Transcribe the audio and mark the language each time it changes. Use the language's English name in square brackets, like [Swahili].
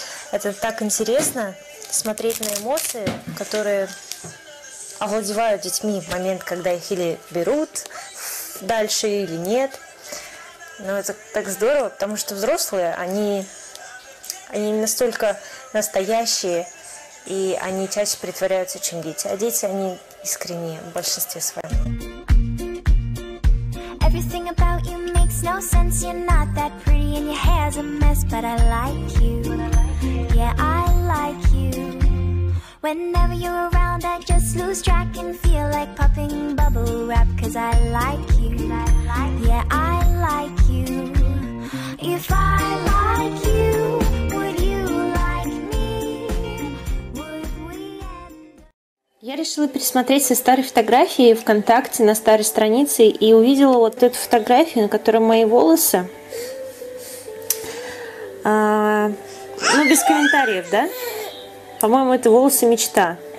[Russian] Это так интересно смотреть на эмоции, которые овладевают детьми в момент, когда их или берут дальше, или нет. Но это так здорово, потому что взрослые, они настолько настоящие, и они чаще притворяются, чем дети. А дети, они искренние в большинстве своем. [English] Everything about you makes no sense. You're not that pretty and your hair's a mess. But I like you. Yeah, I like you. Whenever you're around, I just lose track and feel like popping bubble wrap. Cause I like you. Yeah, I like you. If I like you, would you like me? Would we end? [Russian] Я решила пересмотреть все старые фотографии ВКонтакте на старой странице и увидела вот эту фотографию, на которой мои волосы. Ну, без комментариев, да? По-моему, это волосы мечта.